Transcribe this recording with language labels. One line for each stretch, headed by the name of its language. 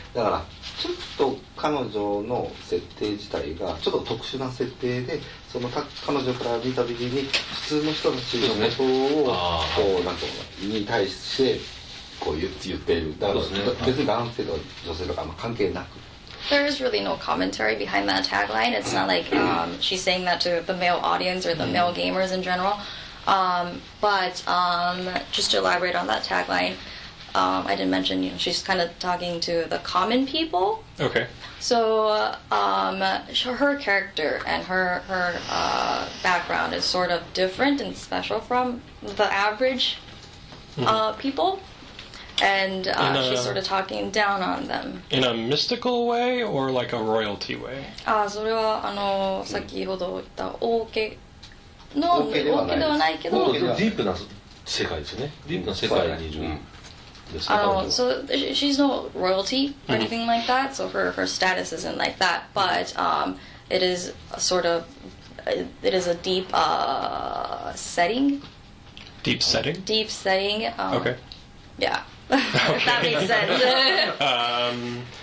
Japanese: だからちょっと彼女の設定自体がちょっと特殊な設定で、その彼女から見た時に普通の人たちのことをこうなんかに対してこう言っている。だから別に男性とか女性とかあんま関係なく。
English: There is really no commentary behind that tagline. It's not like she's saying that to the male audience or the male gamers in general. But just to elaborate on that tagline, I didn't mention, you know, she's kind of talking to the common people. Okay. So her character and her background is sort of different and special from the average people. And she's sort of talking down on them. In a mystical way or like a royalty way?
Japanese: それは先ほど言った王家の王家ではないけど、ディープな世界ですね。ディープな世界にいるんですね。
English: So she's no royalty or anything like that. So her status isn't like that. But it is a sort of it is a deep setting. Deep setting. Deep setting. Okay. Yeah. Okay. If that makes sense.